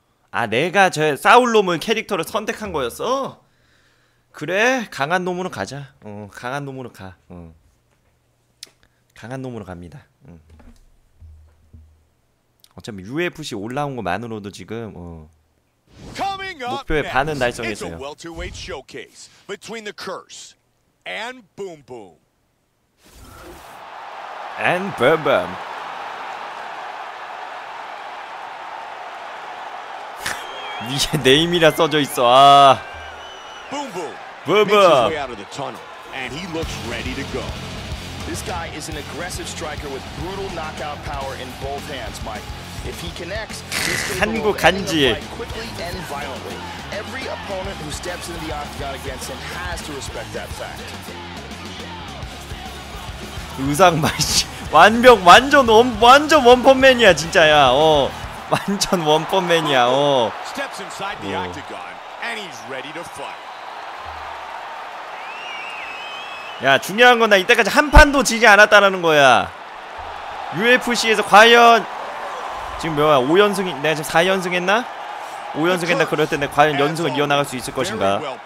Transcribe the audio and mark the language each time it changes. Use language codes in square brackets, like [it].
[ko] 아, 내가 저 싸울 놈을 캐릭터를 선택한 거였어? 그래 강한 놈으로 가자. 강한 놈으로 가. 강한 놈으로 갑니다. 어차피 UFC 올라온 것만으로도 지금 목표에 반은 달성했어요. [en] It's a welterweight showcase between the curse and boom boom. And boom boom. [ko] 이게 네임이라 써져 있어. [en] 아. Boom boom. Bubba way out of the tunnel and he looks ready to go. This guy is an aggressive striker with brutal knockout power in both hands, Mike. If he connects, he's going to quickly and violently. Every opponent who steps into the octagon against him has to respect that fact. [ko] 의상 맛이 완벽 완전 완전 원펀맨이야 진짜야. 완전 원펀맨이야. [en] Steps inside the octagon and he's ready to fight. [ko] 야 중요한 건 나 이때까지 한 판도 지지 않았다라는 거야. UFC에서 과연 지금 몇 번 5연승이 내가 지금 4연승 했나? 5연승 했나 그럴 텐데 과연 연승을 이어나갈 수 있을 것인가?